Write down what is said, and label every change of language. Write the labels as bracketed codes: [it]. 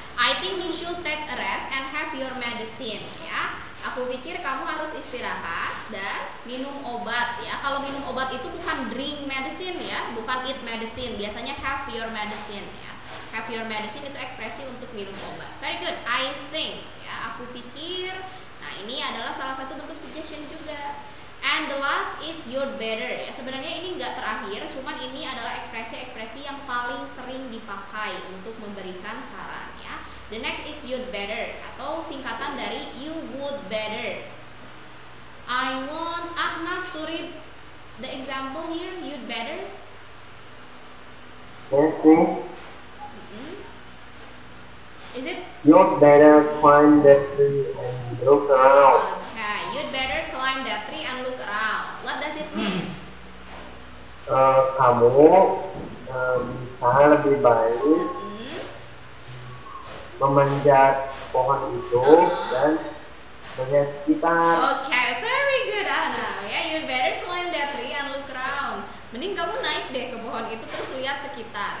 [en] I think you should take a rest and have your medicine. Ya. Yeah. [id] Aku pikir kamu harus istirahat dan minum obat. Ya. Yeah. Kalau minum obat itu bukan [en] drink medicine. [id] Ya. Yeah. Bukan [en] eat medicine. [id] Biasanya [en] have your medicine. Ya. Yeah. Have your medicine [id] itu ekspresi untuk minum obat. [en] Very good. I think. [id] Ya, aku pikir. Nah, ini adalah salah satu bentuk suggestion juga. [en] And the last is you're better. [id] Ya, sebenarnya ini nggak terakhir. Cuman ini adalah ekspresi-ekspresi yang paling sering dipakai untuk memberikan saran. [en] Ya. The next is you'd better. [id] Atau singkatan dari [en] you would better. I want Ahnaf to read the example here. You'd better. Okay. Is it? You'd better climb that tree and look around. Okay, you'd better climb that tree and look around. What does it mean? [id] Kamu bisa lebih baik memanjat pohon itu dan melihat sekitar. [en] Okay, very good, Ana. Yeah, you'd better climb that tree and look around. [id] Mending kamu naik deh ke pohon itu terus lihat sekitar.